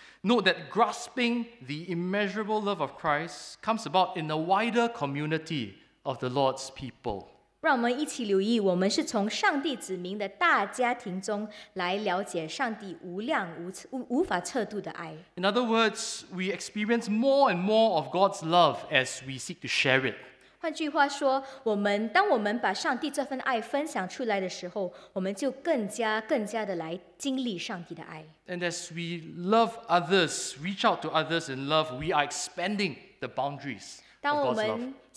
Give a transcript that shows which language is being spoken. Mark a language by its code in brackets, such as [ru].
[en] Note that grasping the immeasurable love of Christ comes about in the wider community of the Lord's people. [zh] 让我们一起留意，我们是从上帝子民的大家庭中来了解上帝无量无法测度的爱。 [en] In other words, we experience more and more of God's love as we seek to share it. [zh] 换句话说，我们当我们把上帝这份爱分享出来的时候，我们就更加的来经历上帝的爱。 [en] And as we love others, reach out to others in love, we are expanding the boundaries of God's love.